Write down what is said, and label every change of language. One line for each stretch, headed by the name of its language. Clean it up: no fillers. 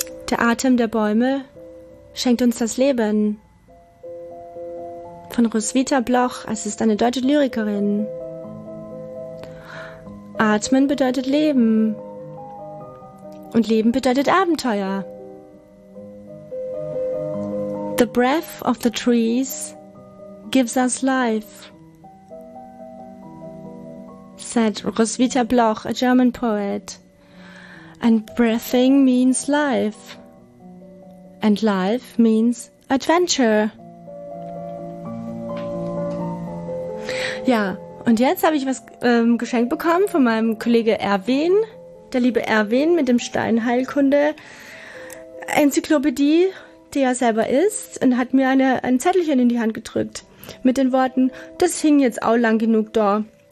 German: Der Atem der Bäume schenkt uns das Leben. Von Roswitha Bloch, es ist eine deutsche Lyrikerin. Atmen bedeutet Leben. Und Leben bedeutet Abenteuer.
English: The breath of the trees gives us life. Said Roswitha Bloch, a German poet. And breathing means life. And life means adventure.
German: Ja, und jetzt habe ich was geschenkt bekommen von meinem Kollege Erwin. Der liebe Erwin mit dem Steinheilkunde-Enzyklopädie, die er selber ist, und hat mir ein Zettelchen in die Hand gedrückt mit den Worten, das hing jetzt auch lang genug da.